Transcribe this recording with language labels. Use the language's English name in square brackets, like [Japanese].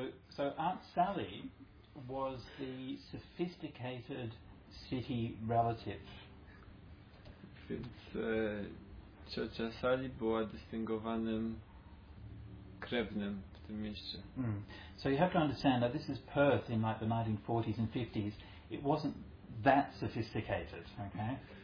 [English] So Aunt Sally was the sophisticated city relative. [Polish] Więc ciocia Sally była dystyngowanym krewnym w tym mieście. Mm. [English] So you have to understand that this is Perth in like the 1940s and 50s. It wasn't that sophisticated, okay?